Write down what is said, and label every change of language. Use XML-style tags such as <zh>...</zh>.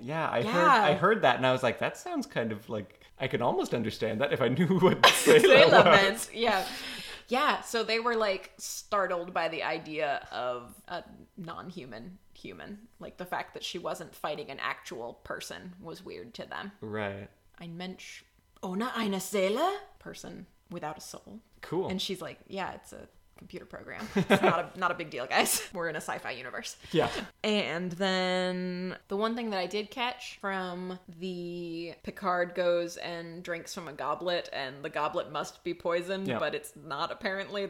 <en>Yeah, I heard that and I was like, that sounds kind of like, I could almost understand that if I knew what Selah meant. Yeah. Yeah, so they were like startled by the idea of a non-human human. Like the fact that she wasn't fighting an actual person was weird to them. Right.</en> <de>Ein Mensch, ohne eine Seele?</de> <en>Person without a soul. Cool. And she's like, yeah, it's a computer program. It's not a big deal, guys. We're in a sci-fi universe. Yeah. And then the one thing that I did catch from the Picard goes and drinks from a goblet and the goblet must be poisoned, yeah. But it's not apparently.</en>